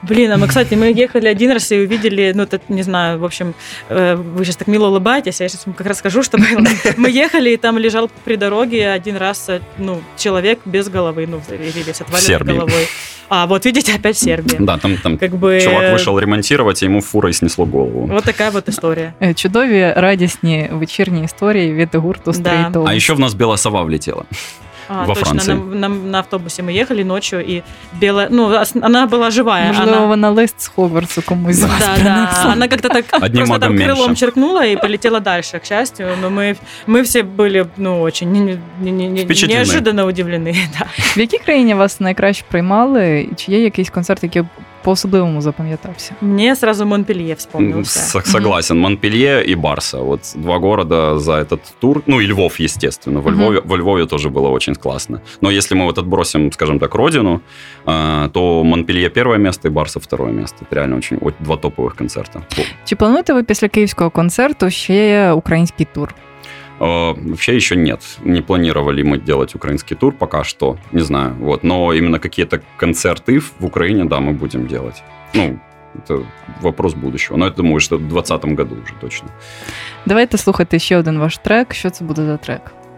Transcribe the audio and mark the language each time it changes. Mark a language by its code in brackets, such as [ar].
[ru] Блин, а мы, кстати, мы ехали один раз и увидели, ну, это, не знаю, в общем, вы сейчас так мило улыбаетесь, я сейчас вам как расскажу, что было. Мы ехали, и там лежал при дороге один раз, ну, человек без головы, ну, заявились, отвалил головой. А, вот видите, опять Сербия. Да, там как бы... чувак вышел ремонтировать, и ему фурой снесло голову. Вот такая вот история. [uk] Чудові, радісні вечірні історії від гурту «Стрей Дог». [ru] А еще в нас біла сова влетела. А, точно, на автобусе мы ехали ночью, и белая, ну, она была живая. [uk] Можливо, она... вона лист з Хогвартсу комусь зараз. [ru] Да, да, она как-то так одним просто там меньше крылом черкнула и полетела дальше, к счастью. Но мы все были, ну, очень неожиданно удивлены. Да. [uk] В якій країні вас найкраще приймали? Чи є якийсь концерт, який по-особливому запам'ятався? [ru] Мені сразу Монпельє вспомнився. Согласен, Монпельє і Барса. От два города за этот тур. Ну і Львов, естественно. [uk] Во Львові теж було очень класно. [ru] Но если мы вот отбросим, скажем так, родину, то Монпелье первое место и Барса второе место. Это реально очень два топовых концерта. [uk] Чи плануєте ви після київського концерту ще український тур? [ru] Вообще еще нет. Не планировали мы делать украинский тур пока что. Не знаю. Вот. Но именно какие-то концерты в Украине, да, мы будем делать. Ну, это вопрос будущего. Но я думаю, что в 2020 году уже точно. Давайте слухайте еще один ваш трек. Что это будет за трек?